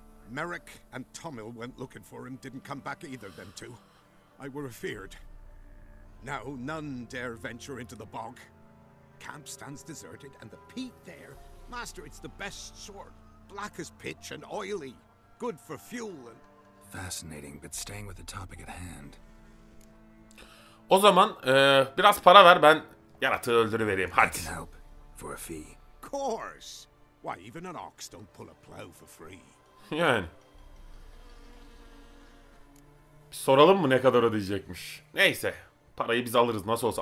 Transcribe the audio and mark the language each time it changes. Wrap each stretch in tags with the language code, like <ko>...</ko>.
<en>Merrick and Tomil went looking for him, didn't come back either, them two. I were afeared. Now none dare venture into the bog. Camp stands deserted, and the peat there... Master, it's the best sort. Black as pitch and oily. Good for fuel and... Fascinating, but staying with the topic at hand.</en> <tr>O zaman, biraz para ver, ben yaratığı öldürüvereyim, hadi.</tr> <en>I can help, for a fee. Course. Why, even an ox don't pull a plow for free.</en> <tr>Yani. Bir soralım mı ne kadar ödeyecekmiş? Neyse, parayı biz alırız nasıl olsa.</tr>